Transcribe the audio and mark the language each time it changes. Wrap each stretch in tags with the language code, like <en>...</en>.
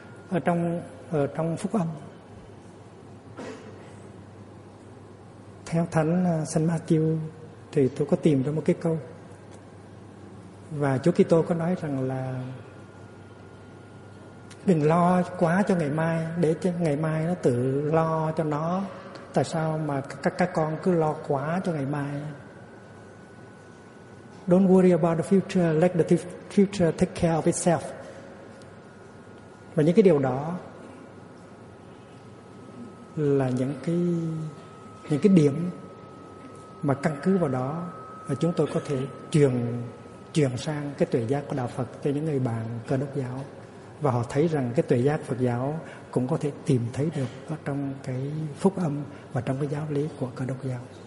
<vi>Ở trong phúc âm theo thánh San Matthew thì tôi có tìm ra một cái câu, và Chúa Kitô có nói rằng là đừng lo quá cho ngày mai, để cho ngày mai nó tự lo cho nó. Tại sao mà các con cứ lo quá cho ngày mai?</vi> <en>Don't worry about the future, let the future take care of itself.</en> <vi>Và những cái điều đó là những cái điểm mà căn cứ vào đó mà chúng tôi có thể truyền sang cái tuệ giác của đạo Phật cho những người bạn Cơ Đốc giáo, và họ thấy rằng cái tuệ giác Phật giáo cũng có thể tìm thấy được ở trong cái phúc âm và trong cái giáo lý của Cơ Đốc giáo.</vi>